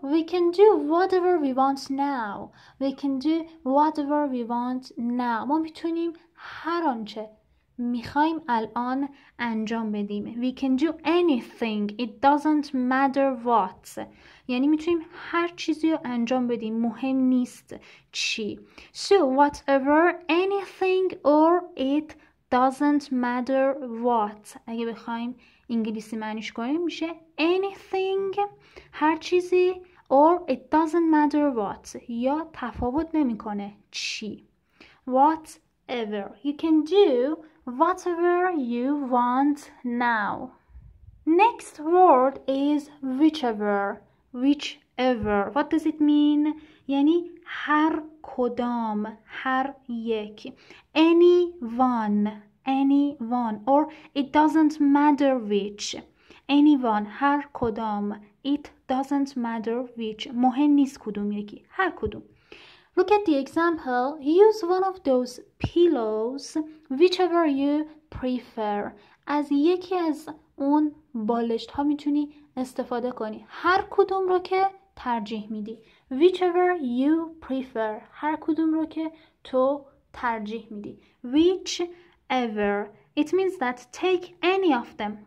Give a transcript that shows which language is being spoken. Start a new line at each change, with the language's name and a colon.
English: We can do whatever we want now. We can do whatever we want now.
Persian: ما میتونیم هر آنچه میخوایم الان انجام بدیم.
English: We can do anything. It doesn't matter what.
Persian: یعنی میتونیم هر چیزی رو انجام بدیم. مهم نیست چی.
English: So whatever, anything or it doesn't matter what.
Persian: اگه بخوایم انگلیسی معنیش کنیم میشه anything, هر چیزی,
English: or it doesn't matter what,
Persian: یا تفاوت نمیکنه چی.
English: Whatever. You can do whatever you want now. Next word is whichever. Whichever. What does it mean?
Persian: یعنی هر کدام, هر یک.
English: Anyone, or it doesn't matter which. Anyone,
Persian: هر کدام.
English: It doesn't matter which.
Persian: مهم نیست کدوم یکی. هر کدوم.
English: Look at the example. Use one of those pillows, whichever you prefer.
Persian: از یکی از اون بالشت ها میتونی استفاده کنی. هر کدوم رو که ترجیح میدی.
English: Whichever you prefer.
Persian: هر کدوم رو که تو ترجیح میدی.
English: Which ever. It means that take any of them.